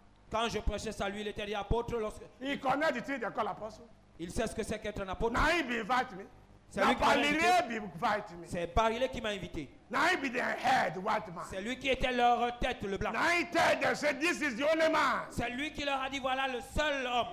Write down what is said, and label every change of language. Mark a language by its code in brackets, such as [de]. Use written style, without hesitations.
[fr] quand je prêchais ça, lui, il était dit apôtre. Il connaît le truc de quoi l'apôtre. Il sait ce que c'est qu'être un apôtre. [wes] Now he be invite me. [fr] C'est lui qui m'a invité. C'est Barilé qui m'a invité. [wes] Now he be the head, white man. [fr] C'est lui qui était leur tête, le blanc. [wes] Now he tell them, say, this is the only man. [fr] C'est lui qui leur a dit, voilà le seul homme.